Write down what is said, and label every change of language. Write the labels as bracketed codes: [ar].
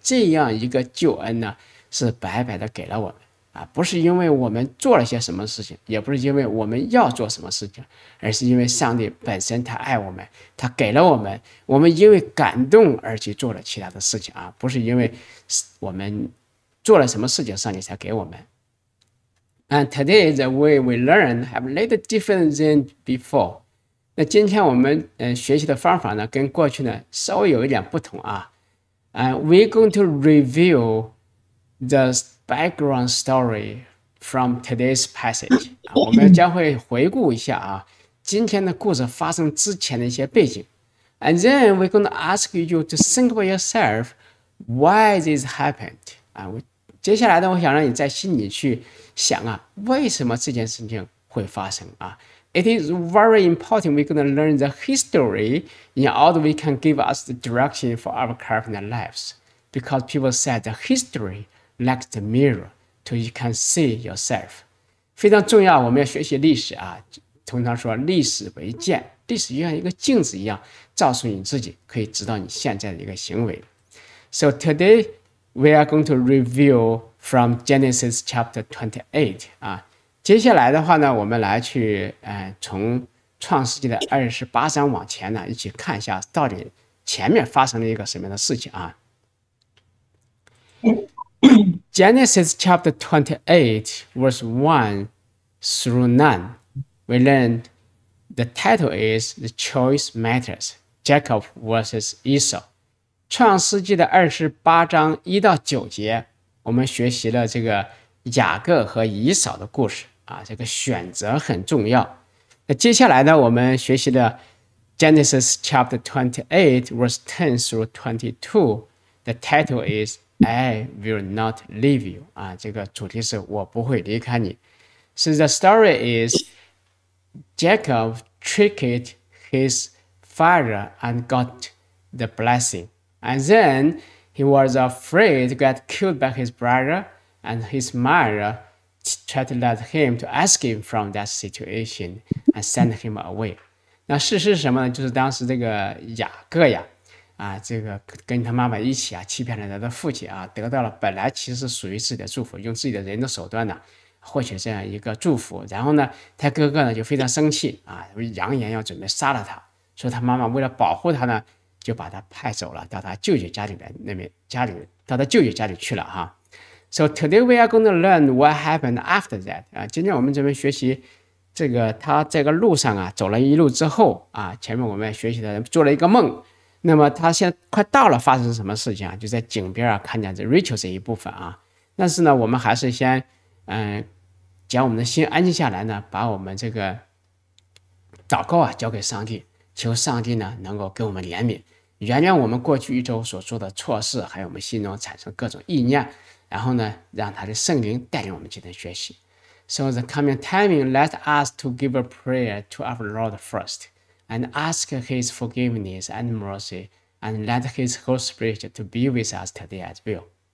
[zh] 这样一个救恩呢，是白白的给了我们、不是因为我们做了些什么事情，也不是因为我们要做什么事情，而是因为上帝本身他爱我们，他给了我们，我们因为感动而去做了其他的事情、不是因为我们做了什么事情上帝才给我们。 [en] And today the way we learn have a little different than before. [zh] 那今天我们、学习的方法呢跟过去呢稍微有一点不同啊。 [en] We're going to review the background story from today's passage. [zh] 我们将会回顾一下啊今天的故事发生之前的一些背景。 [en] And then we're going to ask you to think about yourself why this happened. [zh] 接下来呢我想让你在心里去想啊，为什么这件事情会发生啊 ？ [en] It is very important. We're going to learn the history in order we can give us the direction for our current lives. Because people said the history like the mirror, so you can see yourself. [zh] 非常重要，我们要学习历史啊。通常说，历史为鉴，历史就像一个镜子一样，照出你自己，可以知道你现在的一个行为。 [en] So today we are going to review. From Genesis chapter 28, [zh] 接下来的话呢我们来去、从创世纪的28章往前呢一起看一下到底前面发生了一个什么样的事情啊。 [en] Genesis chapter 28, verse 1 through 9, we learned the title is The Choice Matters, Jacob versus Esau. [zh] 创世纪的28章1到9节我们学习了这个雅各和以扫的故事啊，这个选择很重要。那接下来呢，我们学习的 [en] Genesis chapter 28 verse 10 through 22 the title is I will not leave you [zh] 啊，这个主题是我不会离开你。 [en] So the story is Jacob tricked his father and got the blessing and thenHe was afraid to get killed by his brother, and his mother tried to let him to ask him from that situation and send him away. [zh] 那事实是什么呢？就是当时这个雅各呀，这个跟他妈妈一起啊，欺骗了他的父亲啊，得到了本来其实是属于自己的祝福，用自己的人的手段呢，获取这样一个祝福。然后呢，他哥哥呢就非常生气啊，扬言要准备杀了他，说他妈妈为了保护他呢。就把他派走了到他舅舅家里面那边家里到他舅舅家里去了哈。 [en] So today we are going to learn what happened after that. [zh] 今天我们准备学习这个他这个路上啊走了一路之后啊前面我们学习的人做了一个梦。那么他现在快到了发生什么事情啊就在井边啊看见这 Rachel 这一部分啊。但是呢我们还是先将我们的心安静下来呢，把我们这个祷告啊交给上帝，求上帝呢能够给我们怜悯，原谅我们过去一周所做的错事，还有我们心中产生各种意念，然后呢让他的圣灵带领我们今天学习。 [en] So the coming timing, let us to give a prayer to our Lord first, and ask His forgiveness and mercy, and let His Holy Spirit to be with us today as well.